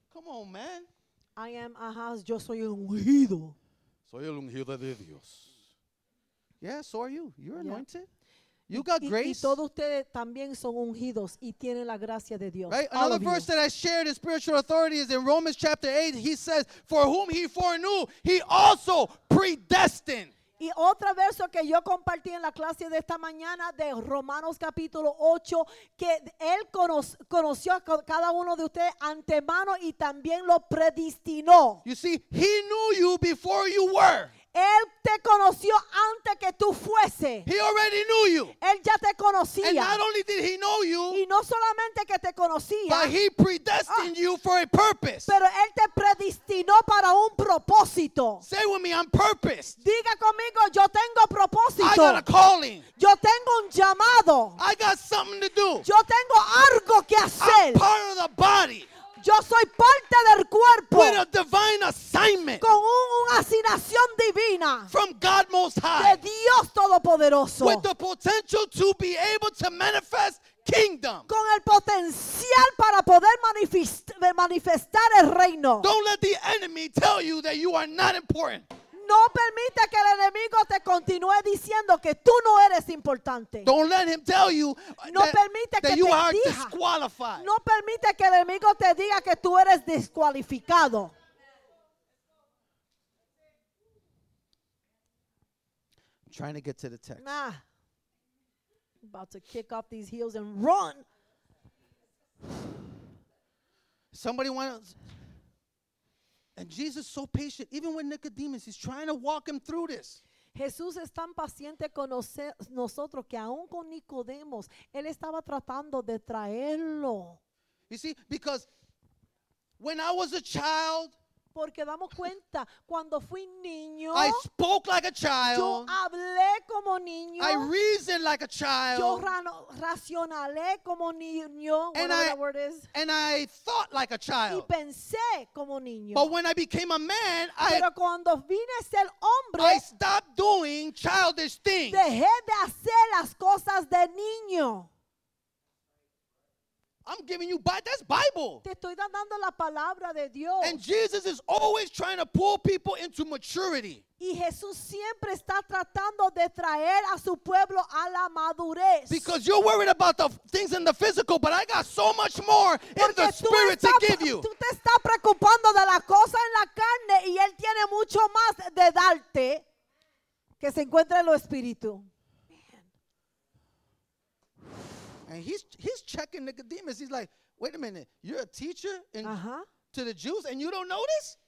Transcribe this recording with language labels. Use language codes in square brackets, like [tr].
[en] Come on, man. I am, [es] uh-huh, yo soy el ungido. Soy el ungido de Dios. [en] Yeah, so are you. You're anointed. Yeah. You got grace. [es] Y todos ustedes también son ungidos y tienen la gracia de Dios. [en] Right? Another verse you. That I shared in spiritual authority is in Romans chapter 8. He says, for whom he foreknew, he also predestined. [es] Y otro verso que yo compartí en la clase de esta mañana de Romanos capítulo 8, que él conoció a cada uno de ustedes antemano y también lo predestinó. [en] You see, he knew you before you were. [es] Él te conoció antes que tú fuese. [en] He already knew you. [es] Él ya te conocía. [en] And not only did he know you, [es] y no solamente que te conocía, [en] but he predestined you for a purpose. [es] Pero él te predestinó para un propósito. [en] Say with me, I'm purposed. [es] Diga conmigo, yo tengo propósito. [en] I got a calling. [es] Yo tengo un llamado. [en] I got something to do. [es] Yo tengo algo que hacer. [en] I'm part of the body. [es] Yo soy parte del cuerpo. [en] With a divine assignment. [es] Con una asignación divina. [en] From God Most High. [es] De Dios Todopoderoso. [en] With the potential to be able to manifest kingdom. [es] Con el potencial para poder manifestar el reino. [en] Don't let the enemy tell you that you are not important. [es] No permite que el enemigo te continúe diciendo que tú no eres importante. [en] Don't let him tell you [es] no [en] that, [es] permite [en] that [es] que [en] you [es] te [en] are [es] diga. [en] Disqualified. [es] No permite que el enemigo te diga que tú eres descualificado. [en] I'm trying to get to the text. Nah. About to kick off these heels and run. Somebody wants... And Jesus is so patient, even with Nicodemus, he's trying to walk him through this. [es] Jesús es tan paciente con nosotros que aún con Nicodemos, él estaba tratando de traerlo. [en] You see, because when I was a child, [es] porque damos cuenta, cuando fui niño, [en] I spoke like a child, [es] yo hablé como niño, [en] I reasoned like a child, [es] yo racionalé como niño, whatever [en] I, that word is, and I thought like a child, [es] y pensé como niño. [en] But when I became a man, [es] pero cuando vine a ser hombre, [en] I stopped doing childish things. [es] Dejé de hacer las cosas de niño. [en] I'm giving you Bible. That's Bible. [es] Te estoy dando la palabra de Dios. [en] And Jesus is always trying to pull people into maturity. [es] Y Jesús siempre está tratando de traer a su pueblo a la madurez. [en] Because you're worried about the things in the physical, but I got so much more [es] porque [en] in the spirit [es] está, [en] to give you. [es] Tú te estás preocupando de las cosas en la carne y él tiene mucho más de darte que se encuentra en lo espiritual. [en] And he's checking Nicodemus. He's like, wait a minute, you're a teacher and to the Jews and you don't know this?